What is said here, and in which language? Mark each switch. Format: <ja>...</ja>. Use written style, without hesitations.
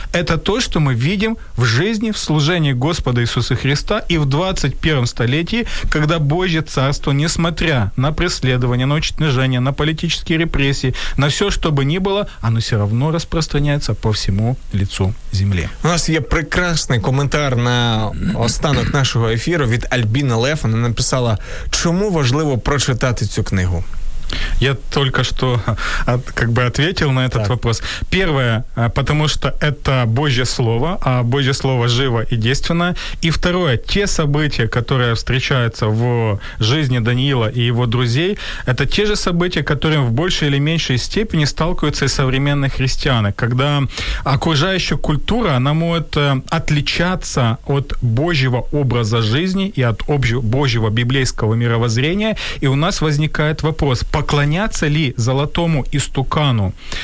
<ru>Это то, что мы видим в жизни, в служении Господа Иисуса Христа и в 21-м столетии, когда Божье Царство, несмотря на преследование, на уничтожение, на политические репрессии, на все, что бы ни было, оно все равно распространяется по всему лицу земли. У нас есть прекрасный комментарий</ru> <uk>на останок нашого ефіру від Альбіни Лев. Вона написала, чому важливо прочитати цю книгу?</uk> <ru>Я только что как бы ответил на этот вопрос. Первое, потому что это Божье Слово, а Божье Слово живо и действенно. И второе, те события, которые встречаются в жизни Даниила и его друзей, это те же события, которым в большей или меньшей степени сталкиваются и современные христианы, когда окружающая культура, она может отличаться от Божьего образа жизни и от Божьего библейского мировоззрения, и у нас возникает вопрос – поклоняться ли золотому истукану,</ru>